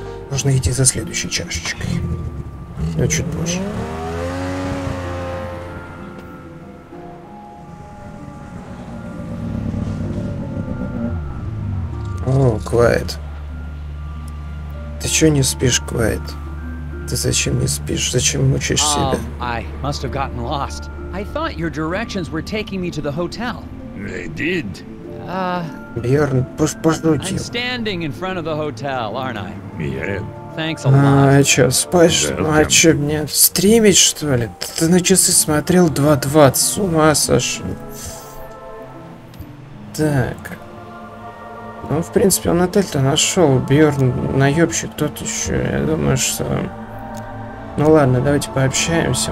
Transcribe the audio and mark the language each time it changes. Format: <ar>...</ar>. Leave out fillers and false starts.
<ru>Нужно идти за следующей чашечкой. Но чуть позже. Квайт, ты чё не спишь, Квайт? Ты зачем не спишь? Зачем мучаешь себя?</ru> <en>I must have gotten lost. I thought your directions were taking me to the hotel. They did.</en> <ru>Бьёрн, пошути.</ru> <en>I'm standing in front of the hotel, aren't I? Yeah. Thanks a lot.</en> <ru>А чё, спать? Welcome. А чё, мне стримить что ли? Ты на часы смотрел 2:20, с ума сошёл. Так. Ну, в принципе, он отель-то нашел. Бьёрн, наёбщик тот еще. Я думаю, что... Ну ладно, давайте пообщаемся.</ru>